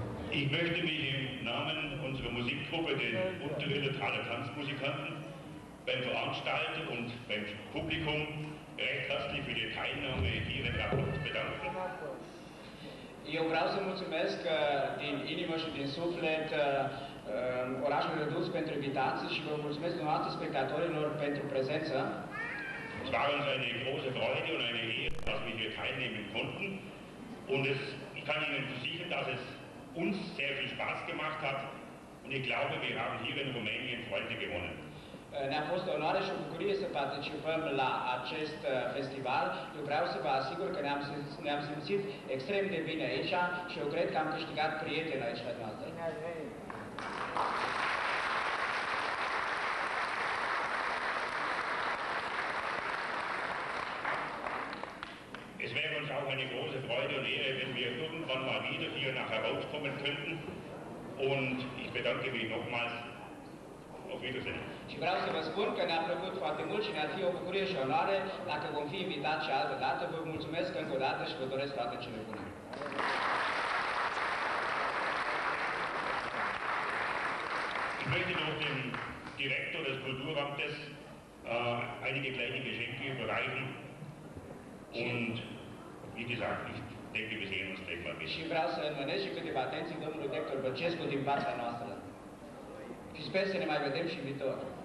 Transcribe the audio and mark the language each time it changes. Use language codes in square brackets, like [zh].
[de] Ich möchte mich im Namen unserer Musikgruppe, den Unterletaler Tanzmusikanten, beim Veranstalter und beim Publikum recht herzlich für die Teilnahme hier im Rapport bedanken. [ro] Eu vreau să mulțumesc din inimă și din suflet orașul Rădăuț pentru invitație și vă mulțumesc dumneavoastră spectatorilor pentru prezență. [de] Es war uns eine große Freude und eine Ehre, dass wir hier teilnehmen konnten. Und es, ich kann Ihnen versichern, dass es uns sehr viel Spaß gemacht hat und ich glaube, wir haben hier in Rumänien Freunde gewonnen. [ro] ne-a fost onoare și o bucurie să participăm la acest festival. Eu vreau să vă asigur că ne-am simțit extrem de bine aici și eu cred că am câștigat prieteni aici la noastră. [de] Es wäre uns auch eine große Freude und Ehre, wenn wir irgendwann mal wieder hier nach herauskommen könnten. Und ich bedanke mich nochmals. Auf Wiedersehen. [ro] Și vreau să vă spun că ne-a plăcut foarte mult și ne-ar fi o bucurie și onoare dacă vom fi invitați și altă dată. Vă mulțumesc încă o dată și vă doresc toate cele bune. [de] Ich möchte noch dem Direktor des Kulturamtes einige kleine Geschenke überreichen. Und wie gesagt, ich denke, wir sehen uns gleich mal wieder. [ro] Și vreau să mănânc și câteva atenții domnului Director Băcescu din partea noastră. Și sper să ne mai vedem și viitor.